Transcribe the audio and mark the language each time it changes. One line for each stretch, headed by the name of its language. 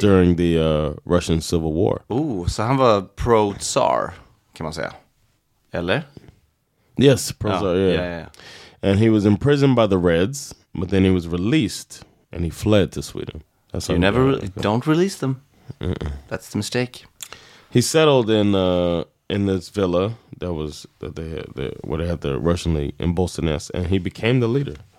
English: During the Russian Civil War.
Swedish: Ooh, så han var pro-tsar, kan man säga. Eller?
English: Yes, pro-tsar, oh, yeah. And he was imprisoned by the Reds, but then he was released. And he fled to Sweden. That's you never don't release them. Mm-mm. That's the mistake. He settled in this villa that was where they had the Russian League in Bolsonaro, and he became the leader.